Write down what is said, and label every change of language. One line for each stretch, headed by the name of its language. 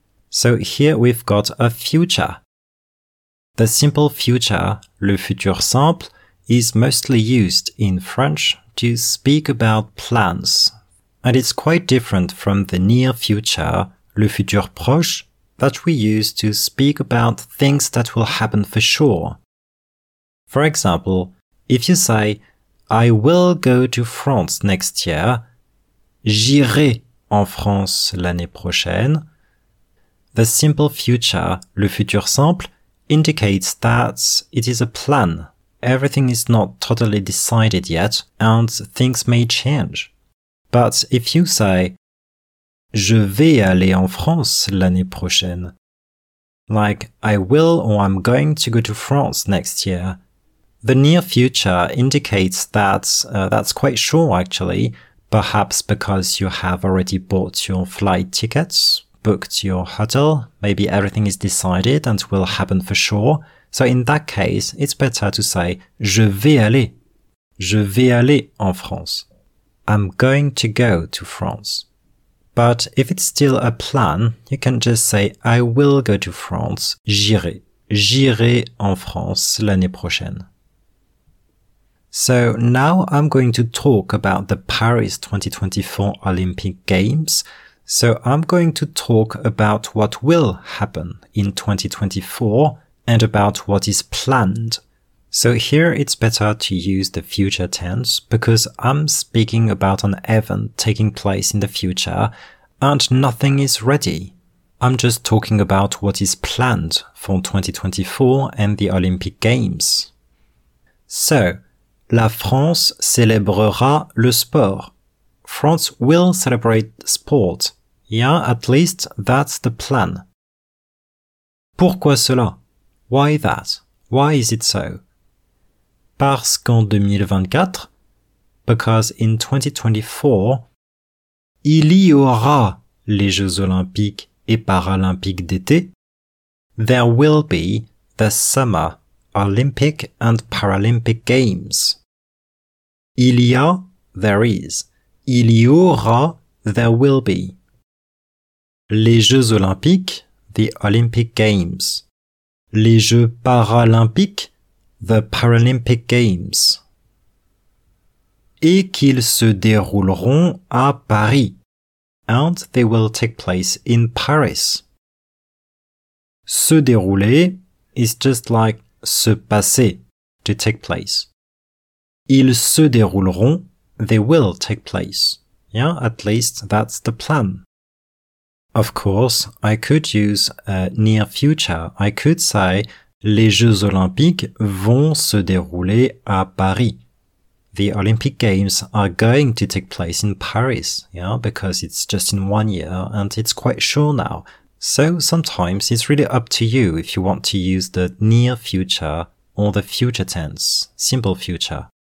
English: So here we've got a future. The simple future,
French: le futur simple,
English: is mostly used in French to speak about plans. And it's quite different from the near future,
French: le futur proche,
English: that we use to speak about things that will happen for sure. For example, if you say, I will go to France next year,
French: j'irai en France l'année prochaine,
English: the simple future,
French: le futur simple,
English: indicates that it is a plan. Everything is not totally decided yet and things may change. But if you say,
French: je vais aller en France l'année prochaine,
English: like I will or I'm going to go to France next year, the near future indicates that that's quite sure actually, perhaps because you have already bought your flight tickets, booked your hotel, maybe everything is decided and will happen for sure. So in that case, it's better to say,
French: je vais aller en France.
English: I'm going to go to France. But if it's still a plan, you can just say, I will go to France,
French: j'irai en France l'année prochaine.
English: So now I'm going to talk about the Paris 2024 Olympic Games. So I'm going to talk about what will happen in 2024 and about what is planned. So here it's better to use the future tense because I'm speaking about an event taking place in the future and nothing is ready. I'm just talking about what is planned for 2024 and the Olympic Games. So,
French: la France célébrera le sport.
English: France will celebrate sport. Yeah, at least that's the plan.
French: Pourquoi cela?
English: Why that? Why is it so?
French: Parce qu'en 2024,
English: because in 2024,
French: il y aura les Jeux Olympiques et Paralympiques d'été.
English: There will be the Summer Olympic and Paralympic Games.
French: Il y a,
English: there is.
French: Il y aura,
English: there will be.
French: Les Jeux Olympiques,
English: the Olympic Games.
French: Les Jeux Paralympiques,
English: the Paralympic Games.
French: Et qu'ils se dérouleront à Paris.
English: And they will take place in Paris.
French: Se dérouler
English: is just like
French: se passer,
English: to take place.
French: Ils se dérouleront,
English: they will take place. Yeah, at least that's the plan. Of course, I could use a near future. I could say,
French: les Jeux Olympiques vont se dérouler à Paris.
English: The Olympic Games are going to take place in Paris, yeah, because it's just in 1 year and it's quite sure now. So sometimes it's really up to you if you want to use the near future or the future tense, simple future.